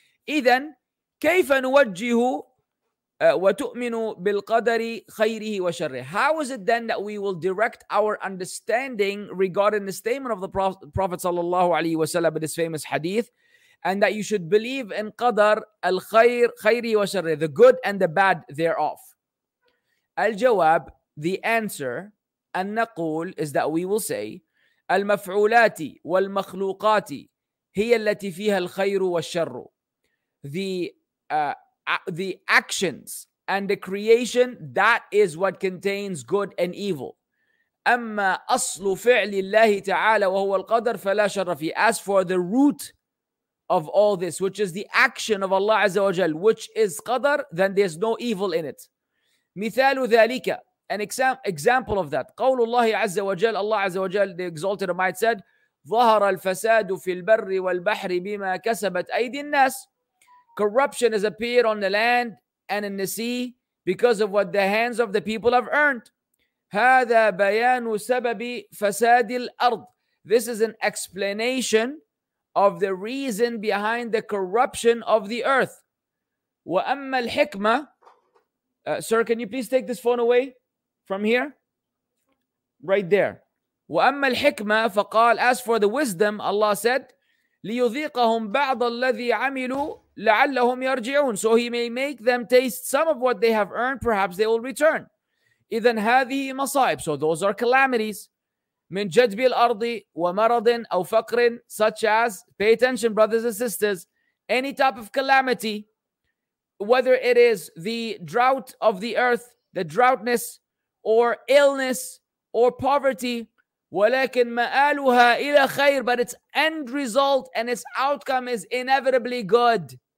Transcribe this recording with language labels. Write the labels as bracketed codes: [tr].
[ar] إِذَنْ كَيْفَ نُوَجِّهُ وَتُؤْمِنُ بِالْقَدَرِ خَيْرِهِ وَشَرِّهِ. [en] How is it then that we will direct our understanding regarding the statement of the Prophet sallallahu alayhi wa sallam in this famous hadith, and that you should believe in qadar al-khayr, [ar] خَيْرِهِ وَشَرِّهِ, [en] the good and the bad thereof. [ar] الجواب, [en] the answer, [ar] أن نقول, [en] is that we will say, [ar] المفعولات والمخلوقات هي التي فيها الخير والشر. [en] The actions and the creation, that is what contains good and evil. [ar] أما أصل فعل الله تعالى وهو القدر فلا شر فيه. [en] As for the root of all this, which is the action of Allah عز وجل, which is قدر, then there's no evil in it. [ar] مثال ذلك, [en] an example of that. [ar] قول الله عز وجل, Allah عز وجل, [en] the exalted might said, [ar] ظهر الفساد في البر والبحر بما كسبت أيدي الناس. [en] Corruption has appeared on the land and in the sea because of what the hands of the people have earned. [ar] هذا بيان سبب فساد الأرض. [en] This is an explanation of the reason behind the corruption of the earth. [ar] وأما الحكمة, [en] sir, can you please take this phone away from here? Right there. [ar] وأما الحكمة فقال, [en] as for the wisdom, Allah said, [ar] ليذيقهم بعض الذي عملوا لعلهم يرجعون. [en] So he may make them taste some of what they have earned, perhaps they will return. [ar] إذن هذه مصائب. [en] So those are calamities. [ar] من جدب الأرض ومرض أو فقر, [en] such as, pay attention brothers and sisters, any type of calamity, whether it is the drought of the earth, the droughtness, or illness, or poverty, [ar] ولكن مآلها إلى خير, [en] but its end result and its outcome is inevitably good.